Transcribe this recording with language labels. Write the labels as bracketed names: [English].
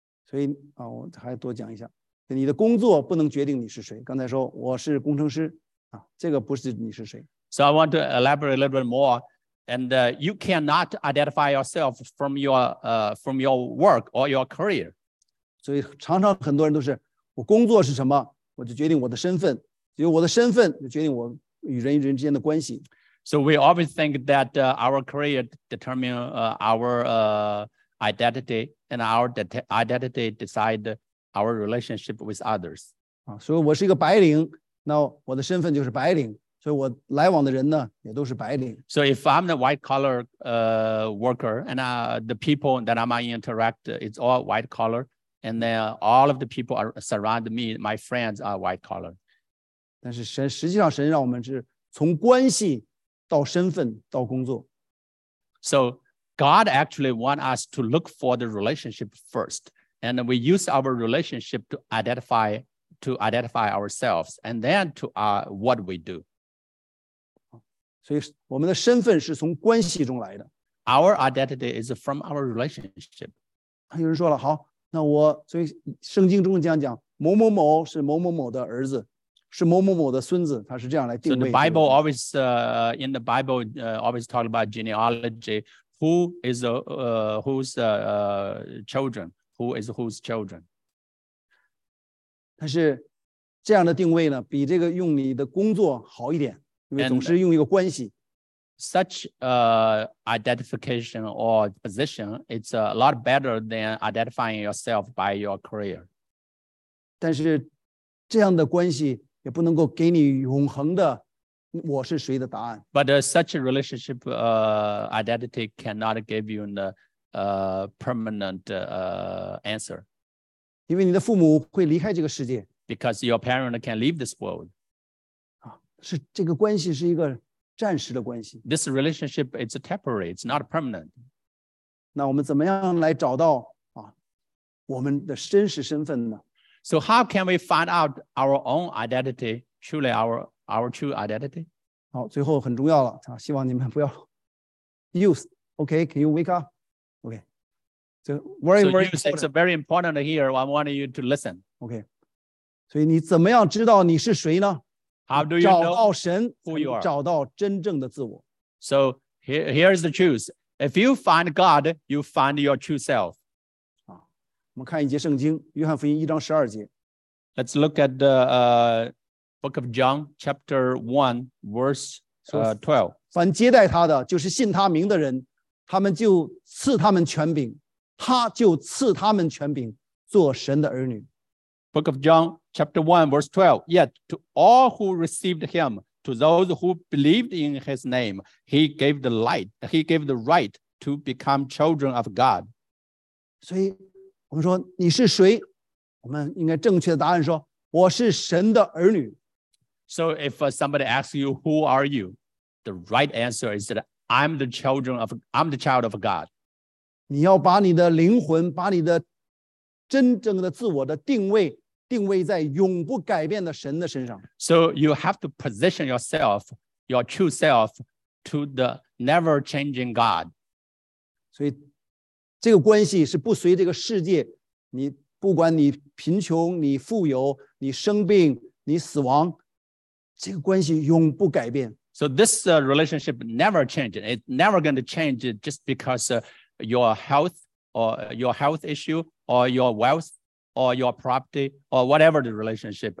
[Chinese] 所以啊，我还多讲一下，你的工作不能决定你是谁。刚才说我是工程师啊，这个不是你是谁。 [English] So I want to elaborate a little bit more, and you cannot identify yourself from your work or your career. [Chinese] 所以常常很多人都是我工作是什么，我就决定我的身份，因为我的身份就决定我与人与人之间的关系。 [English] So we always think that our career determines our identity, and our identity decides our relationship with others. [Chinese] 所以我是一个白领，那我的身份就是白领，所以我来往的人呢也都是白领。 [English] So if I'm the white collar worker, and the people that I might interact, it's all white collar, and then all of the people are surround me, my friends are white collar. [Chinese] 但是神实际上神让我们是从关系到身份到工作。 [English] So God actually want us to look for the relationship first, and we use our relationship to identify ourselves, and then to what we do. [Chinese] 所以我们的身份是从关系中来的。 [English] Our identity is from our relationship. [Chinese] 有人说了，好，那我所以圣经中这样讲，某某某是某某某的儿子。是某某某的孙子，他是这样来定位。 [English] So the Bible always, in the Bible, always talk about genealogy. Who is children? Who is whose children? [Chinese] 但是这样的定位呢，比这个用你的工作好一点，因为总是用一个关系。 [English] And such identification or position, it's a lot better than identifying yourself by your career. [Chinese] 但是这样的关系也不能够给你永恒的我是谁的答案。 [English] But such a relationship identity cannot give you the permanent answer. [Chinese] 因为你的父母会离开这个世界。 [English] Because your parents can leave this world. [Chinese] 是这个关系是一个暂时的关系。 [English] This relationship is temporary, it's not permanent. [Chinese] 那我们怎么样来找到我们的真实身份呢？ [English] So how can we find out our own identity, truly our true identity? [Chinese] 好，最后很重要了，希望你们不要 use. [English] Okay, can you wake up? Okay. So very use, it's very important here. I want you to listen. Okay. [Chinese] 所以你怎么样知道你是谁呢? [English] How do you know who you are? [Chinese] 找到真正的自我。 [English] So here's the truth. If you find God, you find your true self. [Chinese] 我们看一节圣经，约翰福音一章十二节。 [English] Let's look at the book of John, chapter 1, verse 12. [Chinese] 凡接待他的，就是信他名的人，他们就赐他们权柄，他就赐他们权柄，做神的儿女。 [English] Book of John, chapter 1, verse 12. Yet to all who received him, to those who believed in his name, he gave the right to become children of God. [Chinese] 所以我们说你是谁？我们应该正确的答案说我是神的儿女。 [English] So if somebody asks you who are you, the right answer is that I'm the child of God. [Chinese] 你要把你的灵魂，把你的真正的自我的定位在永不改变的神的身上。 [English] So you have to position yourself, your true self, to the never changing God. [Chinese] 所以这个关系是不随这个世界，你不管你贫穷，你富有，你生病，你死亡，这个关系永不改变。 [English] So this relationship never changes. It's never going to change just because your health or your health issue or your wealth or your property or whatever the relationship.